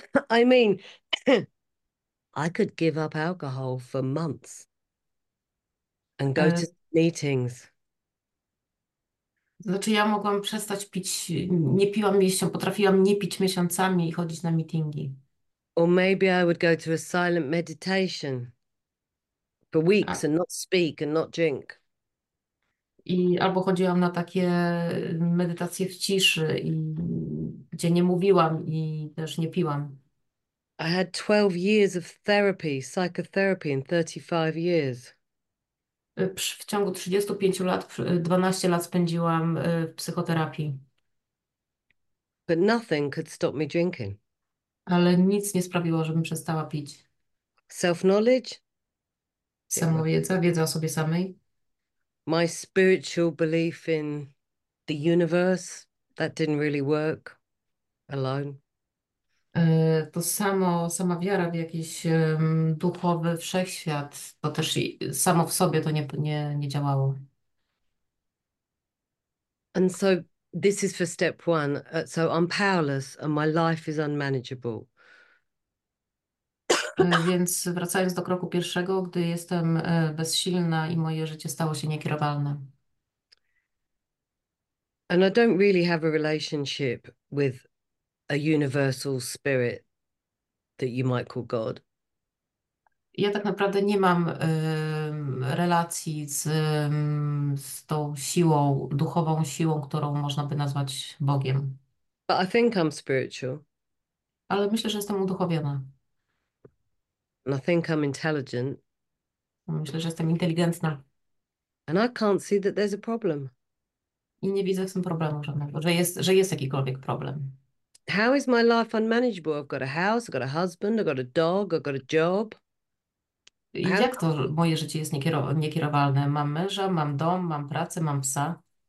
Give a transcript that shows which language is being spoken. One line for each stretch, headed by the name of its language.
English: I mean, I could give up alcohol for months and go to meetings.
Polish: Znaczy, ja mogłam przestać pić, nie piłam miesiąc, potrafiłam nie pić miesiącami i chodzić na meetingi.
English: Or maybe I would go to a silent meditation for weeks and not speak and not drink.
Polish: I albo chodziłam na takie medytacje w ciszy, gdzie nie mówiłam i też nie piłam.
English: I had 12 years of therapy, psychotherapy in 35 years.
Polish: W ciągu 35 lat, 12 lat spędziłam w psychoterapii.
English: But nothing could stop me drinking.
Polish: Ale nic nie sprawiło, żebym przestała pić.
English: Self-knowledge? Yeah, well.
Polish: Samowiedza, wiedza o sobie samej.
English: My spiritual belief in the universe, that didn't really work alone.
Polish: To sama wiara w jakiś duchowy wszechświat, to też samo w sobie to nie działało.
English: And so this is for step one. So I'm powerless and my life is unmanageable.
Polish: Więc wracając do kroku pierwszego, gdy jestem bezsilna i moje życie stało się niekierowalne.
English: And I don't really have a relationship with a universal spirit that you might call God.
Polish: Ja tak naprawdę nie mam relacji z tą siłą, duchową siłą, którą można by nazwać Bogiem.
English: But I think I'm spiritual.
Polish: Ale myślę, że jestem uduchowiona.
English: And I think I'm intelligent.
Polish: Myślę, że jestem inteligentna.
English: And I can't see that there's a problem.
Polish: I nie widzę w tym problemu żadnego, że jest jakikolwiek problem.
English: How is my life unmanageable? I've got a house, I've got a husband, I've got a dog, I've got a job. How
Polish: Jak to moje życie jest niekierowalne? Mam męża, mam dom, mam pracę, mam psa.